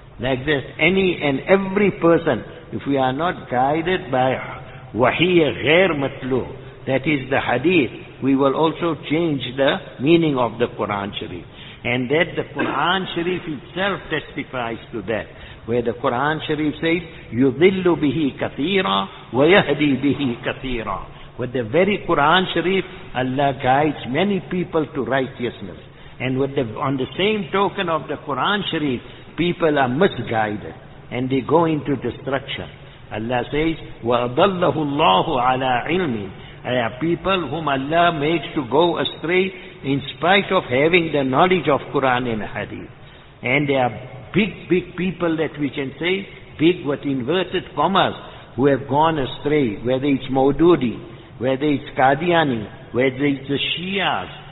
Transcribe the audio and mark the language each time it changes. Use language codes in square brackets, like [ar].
[en] Like this, any and every person, if we are not guided by wahiyya ghair matlu, that is the hadith, we will also change the meaning of the Quran Sharif. And that the Quran Sharif itself testifies to that. Where the Quran Sharif says, [ar] يُذِلُّ بِهِ كَثِيرًا وَيَهْدِي بِهِ كَثِيرًا. [en] With the very Quran Sharif, Allah guides many people to righteousness. And with the, on the same token of the Quran Sharif, people are misguided and they go into destruction. [ar] Allah says, وَأَضَلَّهُ اللَّهُ عَلَىٰ عِلْمٍ. [en] There are people whom Allah makes to go astray in spite of having the knowledge of Quran and Hadith. And there are big, big people that we can say, big with inverted commas, who have gone astray, whether it's Maududi, whether it's Qadiani, whether it's the Shias.